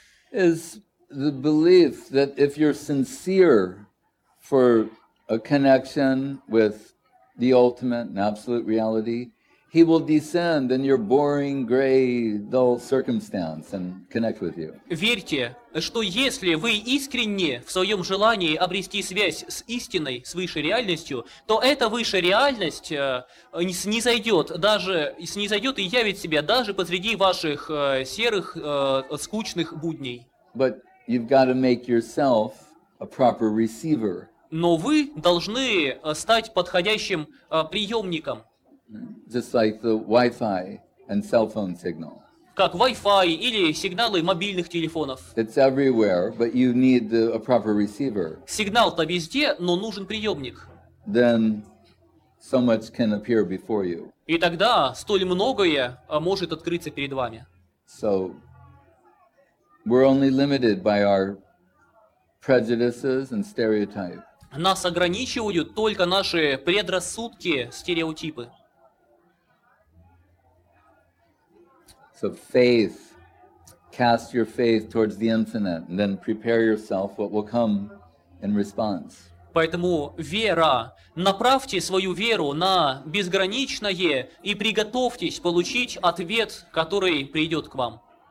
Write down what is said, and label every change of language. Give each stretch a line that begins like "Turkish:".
English: Is the belief that if you're sincere for a connection with the ultimate and absolute reality, He will descend in your boring, gray, dull circumstance and connect with you.
Russian: Верьте, что если вы искренне в своем желании обрести связь с истиной, с высшей реальностью, то эта высшая реальность снизойдет и явит себя даже посреди ваших серых, скучных будней.
English: But you've got to make yourself a proper receiver.
Russian: Но вы должны стать подходящим приемником.
English: Just like the Wi-Fi and cell phone signal.
Russian: Как Wi-Fi или сигналы мобильных телефонов.
English: It's everywhere, but you need a proper receiver.
Russian: Сигнал-то везде, но нужен приемник.
English: Then so much can appear before you.
Russian: И тогда столь многое может открыться перед вами.
English: So we're only limited by our prejudices and stereotypes.
Russian: Нас ограничивают только наши предрассудки, стереотипы.
English: So faith, cast your faith towards the infinite, and then prepare yourself what will come in response.
Russian: Поэтому вера, направьте свою веру на безграничное и приготовьтесь получить ответ, который придет к вам.